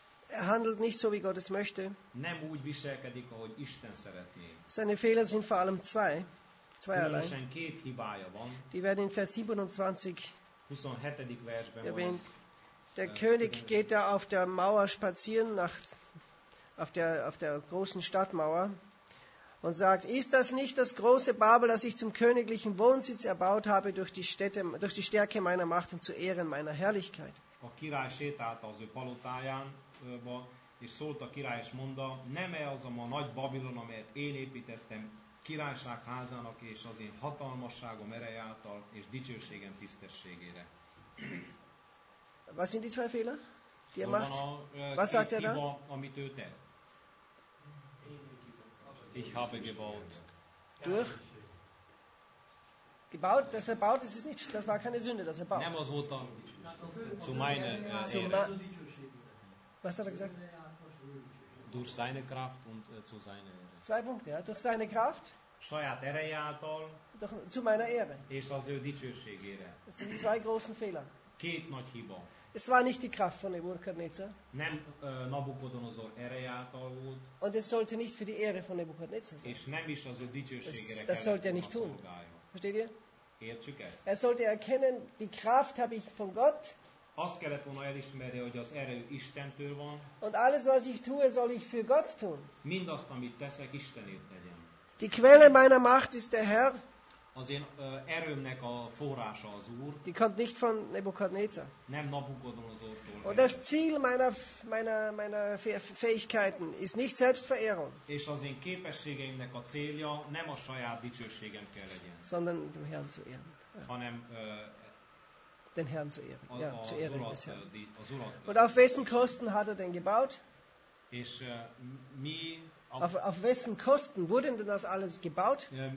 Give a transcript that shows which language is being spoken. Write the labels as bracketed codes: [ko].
[de] Er handelt nicht so, wie Gott es möchte. [hu] Nem úgy viselkedik, ahogy Isten szeretné. [de] Seine Fehler sind vor allem zwei allein. [hu] Különösen két hibája van. [de] Die werden in Vers 27. [hu] 27. versben van. [de] Der König geht da auf der Mauer spazieren, auf der großen Stadtmauer, und sagt, ist das nicht das große Babel, das ich zum königlichen Wohnsitz erbaut habe durch die Stärke meiner Macht und zu Ehren meiner Herrlichkeit? [hu] A király sétált az ő palotájába, és szólt a király, és mondta, nem-e az a ma nagy Babilon, amelyet én építettem királyság házának, és az én hatalmasságom ereje által, és dicsőségem tisztességére? [de] Was sind die zwei Fehler, die er macht? Was sagt er da? [hu] Amit ő tett. [de] Ich habe gebaut. Durch? Gebaut, dass er baut, das ist nicht, das war keine Sünde, dass er baut. [hu] Nem az volt a, [de] zu meine Was hat er gesagt? Durch seine Kraft und zu seine Ehre. Zwei Punkte, ja, durch seine Kraft. [hu] Saját ereje által. [de] Zu meiner Ehre. [hu] És az ő dicsőségére. [de] Das sind zwei großen Fehler. [hu] Két nagy hiba. [de] Es war nicht die Kraft von Nebukadnezar. [hu] Nem Nabukodonozor ereje által volt. [de] Und es sollte nicht für die Ehre von Nebukadnezar sein. [hu] És nem is az ő dicsőségére. [de] Das sollte er nicht tun. Versteht ihr? [hu] Értsük ezt. [de] Er sollte erkennen, die Kraft habe ich von Gott. [hu] Azt kellett volna elismerje, hogy az erő Istentől van. [de] Und alles, was ich tue, soll ich für Gott tun. [hu] Mindazt, amit teszek, Istenért tegyem. [de] Die Quelle meiner Macht ist der Herr. [hu] Az én erőmnek a forrása az Úr. [de] Die kommt nicht von Nebukadnezar. [hu] Nem Nabukodonozortól. [de] Und das Ziel meiner Fähigkeiten ist nicht Selbstverehrung. [hu] És az én képességeimnek a célja nem a saját dicsőségem kell legyen. [de] Sondern dem Herrn zu ehren. [hu] Hanem [de] den Herrn zu ehren. Ja, zu ehren des Herrn. Und auf wessen Kosten hat denn gebaut? [hu] És mi [de] auf wessen Kosten wurde denn das alles gebaut?